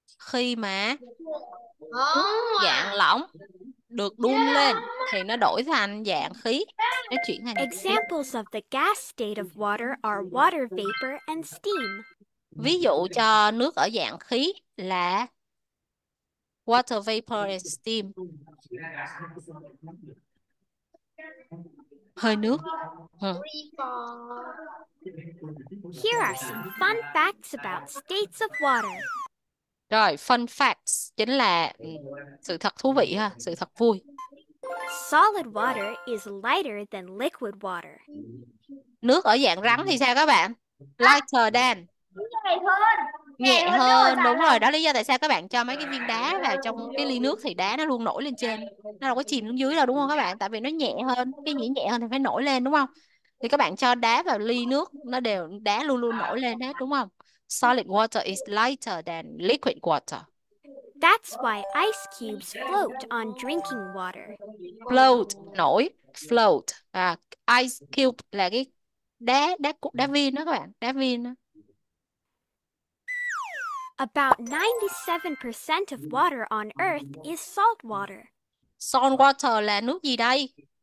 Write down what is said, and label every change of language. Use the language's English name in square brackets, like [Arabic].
[Vietnamese] Khi mà dạng lỏng được đun lên thì nó đổi thành dạng khí, nó chuyển thành [English] Examples of the gas state of water are water vapor and steam. [Vietnamese] Ví dụ cho nước ở dạng khí là [English] water vapor and steam. [Vietnamese] Hơi nước. [English] Here are some fun facts about states of water. [Vietnamese] Rồi, fun facts chính là sự thật thú vị ha, sự thật vui. [English] Solid water is lighter than liquid water. [Vietnamese] Nước ở dạng rắn thì sao các bạn? [English] Lighter than. [Vietnamese] Nhẹ hơn, đúng rồi. Đó là lý do tại sao các bạn cho mấy cái viên đá vào trong cái ly nước thì đá nó luôn nổi lên trên. Nó đâu có chìm xuống dưới đâu đúng không các bạn? Tại vì nó nhẹ hơn, cái gì nhẹ hơn thì phải nổi lên đúng không? Thì các bạn cho đá vào ly nước, nó đều đá luôn luôn nổi lên hết đúng không? [English] Solid water is lighter than liquid water. That's why ice cubes float on drinking water. Float, nổi, float. [Vietnamese] À, ice cube là cái đá, đá cục, đá viên đó các bạn, đá viên đó. [English] About 97% of water on Earth is salt water. [Vietnamese] Salt water là nước gì đây?